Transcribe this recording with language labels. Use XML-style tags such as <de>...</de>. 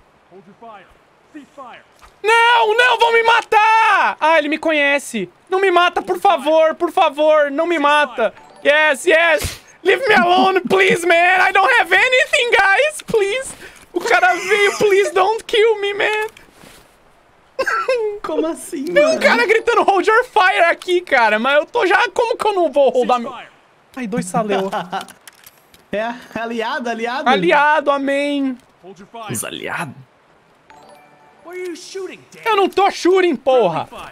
<en>Hold your fire. Cease fire.</en> <pt>Não, não, vão me matar! Ah, ele me conhece. Não me mata, por favor, não me mata.</pt> <en>Yes, yes, leave me alone, please, man. I don't have anything, guys, please.</en> <pt>O cara veio,</pt> <en>please don't kill me, man.</en> <pt>Como assim, mano? Tem um cara gritando</pt> <en>hold your fire</en> <pt>aqui, cara, mas eu tô já... Como que eu não vou holdar meu... Ai, dois saleu. É, aliado, aliado. Aliado, amém. Os aliados. Eu não tô shooting, porra!</pt>